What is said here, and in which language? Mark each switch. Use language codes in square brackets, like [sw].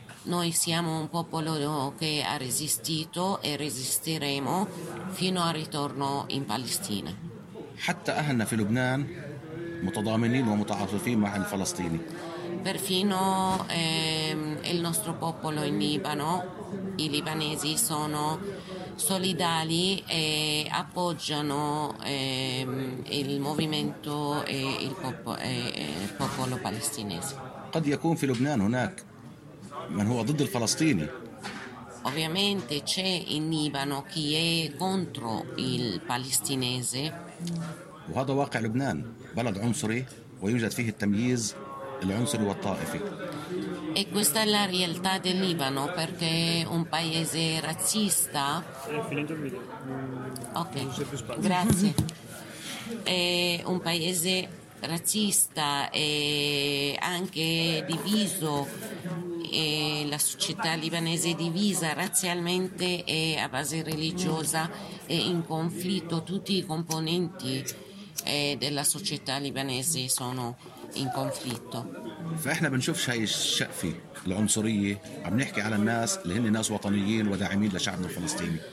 [it] Noi siamo un popolo che ha resistito e resisteremo fino al ritorno in Palestina. [ar] حتى أهلنا في لبنان متضامنين ومتعاطفين مع الفلسطيني. [it] Perfino il nostro popolo in Libano, i libanesi sono solidali e appoggiano il movimento e il popolo palestinese. [ar] قد يكون في لبنان هناك من هو ضد الفلسطيني. [it] Ovviamente c'è in Libano chi è contro il palestinese. [ar] وهذا واقع لبنان, بلد عنصري ويوجد فيه التمييز العنصري والطائفي. [it] E questa è la realtà del Libano, perché è un paese razzista. Ok, grazie. È un paese razzista e anche diviso, e la società libanese è divisa razzialmente e a base religiosa, e in conflitto tutti i componenti della società libanese sono in conflitto. [ar] فاحنا بنشوفش هاي الشقفة العنصرية, عم نحكي على الناس اللي هن ناس وطنيين وداعمين لشعبنا الفلسطيني.